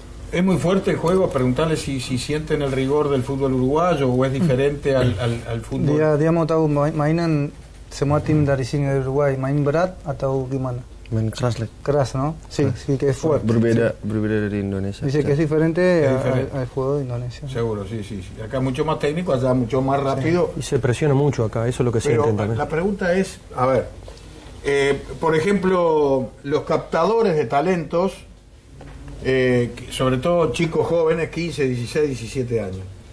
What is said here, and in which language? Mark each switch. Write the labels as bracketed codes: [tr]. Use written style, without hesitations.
[es] Es muy fuerte el juego, preguntarle si sienten el rigor del fútbol uruguayo o es diferente al fútbol. Ya, digamos, [id] atau mainan semua tim dari sini de Uruguay, main berat atau gimana? Main keras lah. [es] Keras, ¿no? Sí, sí, que es fuerte. [id] Berbeda dari Indonesia. [es] Dice que es diferente, al juego de Indonesia. Seguro, sí. Acá mucho más técnico, allá mucho más rápido. Sí. Y se presiona mucho acá, eso es lo que sienten también. Pero la pregunta es, a ver, por ejemplo, los captadores de talentos, sobre todo chicos jóvenes, 15, 16, 17 años.